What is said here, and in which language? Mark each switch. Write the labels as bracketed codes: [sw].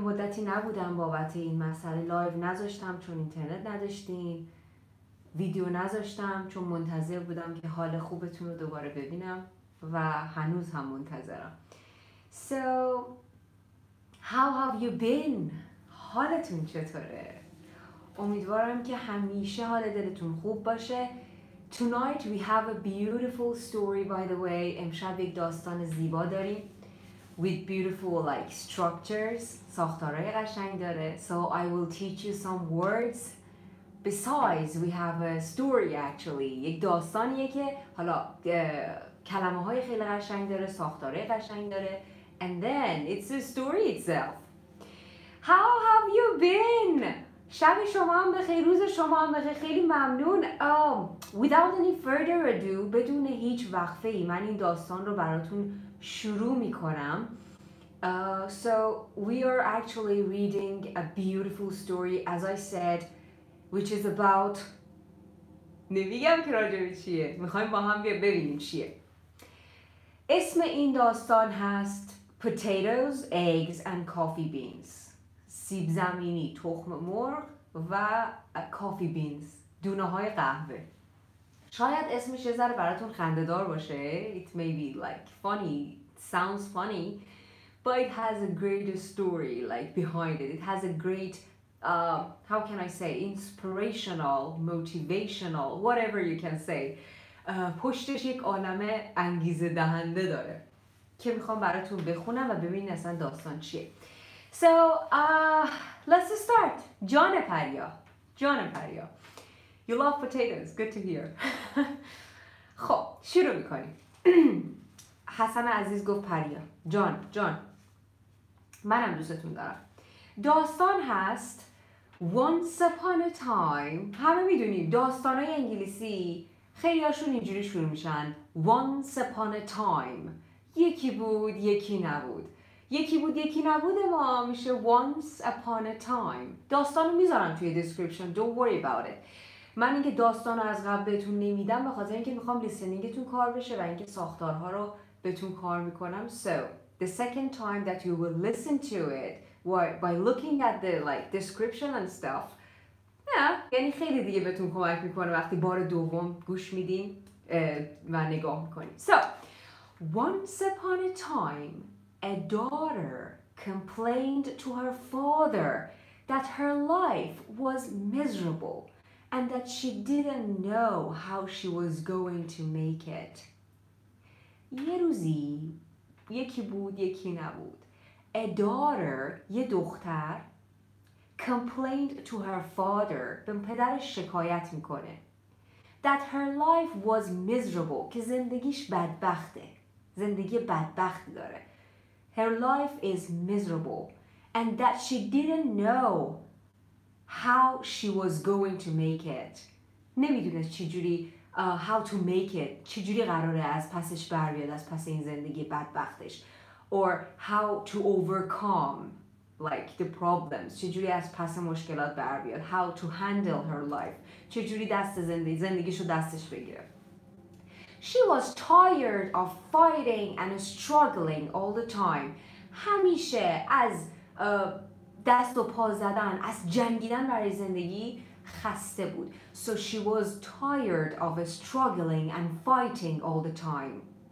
[fa] یه مدتی نبودم بابت این مسئله، لایو نذاشتم چون اینترنت نداشتین، ویدیو نذاشتم چون منتظر بودم که حال خوبتون رو دوباره ببینم و هنوز هم منتظرم. [en] So how have you been؟ [fa] حالتون چطوره؟ امیدوارم که همیشه حال دلتون خوب باشه. [en] Tonight we have a beautiful story by the way. [fa] امشب یک داستان زیبا داریم [en] with beautiful like structures، [fa] ساختارهای قشنگ داره. [en] So I will teach you some words. Besides we have a story actually. [fa] یک داستانیه که حالا کلمه های خیلی قشنگ داره، ساختارهای قشنگ داره. [en] And then it's a story itself. How have you been؟ [fa] شب شما هم بخیر، روز شما هم بخیر، خیلی ممنون. [en] Without any further ado، [fa] بدون هیچ وقفه ای من این داستان رو براتون شروع می کنم. [en] So we are actually reading a beautiful story as I said which is about [fa] نمیگم که راجع به چیه، میخوایم با هم ببینیم چیه. اسم این داستان هست [en] Potatoes, Eggs and Coffee Beans، [fa] سیب زمینی، تخم مرغ و کافی بینز، دونه های قهوه. شاید اسمش یه ذره براتون خنده دار باشه. [en] It may be like funny, sounds funny, but it has a great story like behind it. It has a great, how can I say, inspirational, motivational, whatever you can say. [fa] پشتش یک عالم انگیزه دهنده داره که میخوام براتون بخونم و ببینید اصلا داستان چیه. [en] So, let's just start. جان پریا. جان پریا. You love potatoes. Good to hear. [fa] خب، شروع میکنیم. حسن عزیز گفت پریا. جان. منم دوستتون دارم. داستان هست [en] Once upon a time. [fa] همه میدونیم داستانهای انگلیسی خیلی هاشون اینجوری شروع میشن. [en] Once upon a time. [fa] یکی بود، یکی نبود. یکی بود یکی نبود ما میشه [en] once upon a time. [fa] داستانو میذارم توی [en] description. Don't worry about it. [fa] من اینکه داستانو از قبل بهتون نمیدم به خاطر اینکه میخوام لیسنینگتون کار بشه و اینکه ساختارها رو بهتون کار میکنم. [en] So the second time that you will listen to it by looking at the like description and stuff. Yeah. [fa] یعنی خیلی دیگه بهتون کمک میکنه وقتی بار دوم گوش میدین و نگاه میکنین. [en] So once upon a time a daughter complained to her father that her life was miserable and that she didn't know how she was going to make it. [fa] یه روزی یکی بود یکی نبود. [en] A daughter [fa] یه دختر [en] complained to her father [fa] به پدرش شکایت میکنه [en] that her life was miserable [fa] که زندگیش بدبخته، زندگی بدبختی داره. [en] Her life is miserable and that she didn't know how she was going to make it. [fa] نمیدونست چجوری [en] how to make it. [fa] چجوری قراره از پسش بر بیاد، از پس این زندگی بدبختش. [en] Or how to overcome like the problems. [fa] چجوری از پس مشکلات بر بیاد. [en] How to handle her life. [fa] چجوری دست زندگیشو دستش بگیره. [en] She was tired of fighting and struggling all the time. [fa] همیشه از دست و پا زدن، از جنگیدن برای زندگی خسته بود. [en] So she was tired of struggling and fighting all the time.